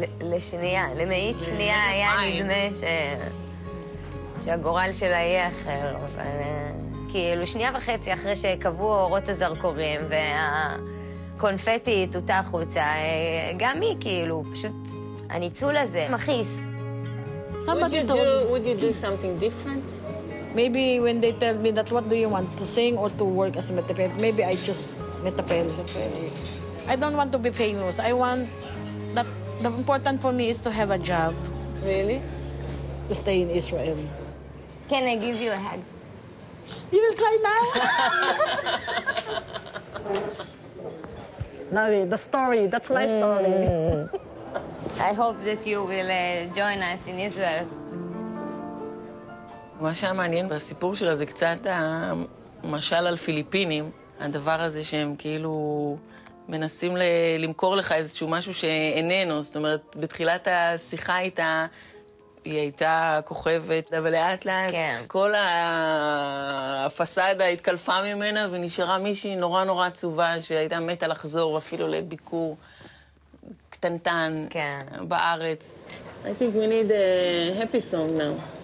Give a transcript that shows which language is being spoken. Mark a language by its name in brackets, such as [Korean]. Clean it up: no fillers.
[Hebrew] לשנייה, למעית שנייה היה נדמה שהגורל שלה יהיה אחר. כאילו שנייה וחצי אחרי שקבעו אורות הזרקורים והקונפטי תותח חוצה, גם היא כאילו, פשוט הניצול הזה מכעיס. [English] Would you do something different? Maybe when they tell me that, what do you want, to sing or to work as a Metapelet? Maybe I choose Metapelet. I don't want to be famous. I want that The important for me is to have a job. Really? To stay in Israel. Can I give you a hug? You will cry now? Navi, the story, that's my story. I hope that you will join us in Israel. [Hebrew] מה שהיה מעניין בסיפור שלה זה קצת המשל על פיליפינים, הדבר הזה שהם כאילו מנסים למכור לך איזשהו משהו שאיננו. זאת אומרת, בתחילת השיחה איתה, היא הייתה כוכבת, אבל לאט לאט כל הפסדה התקלפה ממנה ונשארה מישהי נורא נורא עצובה שהייתה מתה לחזור אפילו לביקור קטנטן בארץ. [English] I think we need a happy song now.